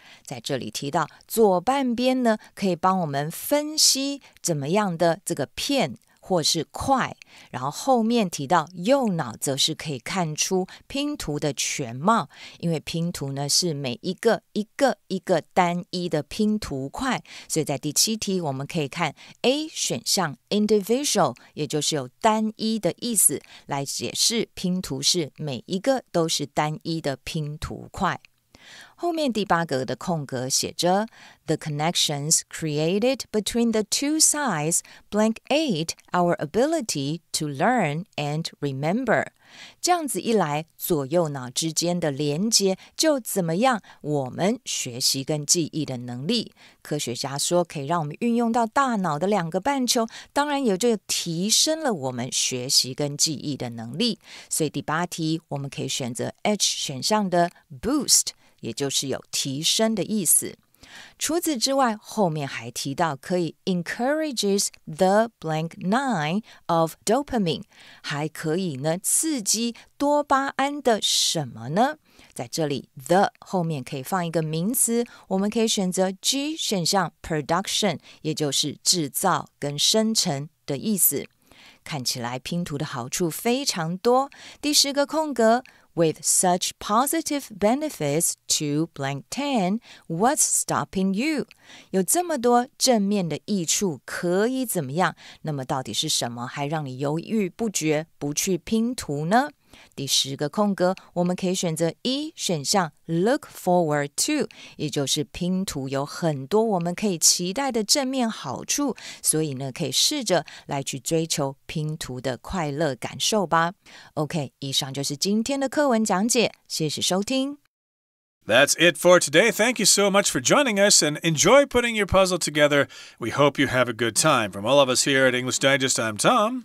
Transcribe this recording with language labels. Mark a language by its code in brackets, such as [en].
[zh] 在这里提到左半边呢，可以帮我们分析怎么样的这个片或是快，然后后面提到右脑则是可以看出拼图的全貌，因为拼图呢是每一个一个一个单一的拼图块，所以在第七题我们可以看 A 选项 individual， 也就是有单一的意思，来解释拼图是每一个都是单一的拼图块。后面第八格的空格写着 [en] The connections created between the two sides blank aid our ability to learn and remember. [zh] 这样子一来，左右脑之间的连接就怎么样我们学习跟记忆的能力。科学家说可以让我们运用到大脑的两个半球，当然也就提升了我们学习跟记忆的能力。所以第八题我们可以选择 H 选项的 boost，也就是有提升的意思。除此之外，后面还提到可以 [en] encourages the blank nine of dopamine， [zh] 还可以呢刺激多巴胺的什么呢？在这里 the 后面可以放一个名词，我们可以选择 G 选项 production， 也就是制造跟生成的意思。看起来拼图的好处非常多。第十个空格， [en] With such positive benefits to blank 10, what's stopping you? [zh] 有这么多正面的益处可以怎么样？那么到底是什么还让你犹豫不决不去拼图呢？第十个空格，我们可以选择 E 选项 [en] look forward to， [zh] 也就是拼图有很多我们可以期待的正面好处，所以呢可以试着来去追求拼图的快乐感受吧。 OK， 以上就是今天的课文讲解，谢谢收听。 [en] That's it for today. Thank you so much for joining us and enjoy putting your puzzle together. We hope you have a good time. From all of us here at English Digest, I'm Tom.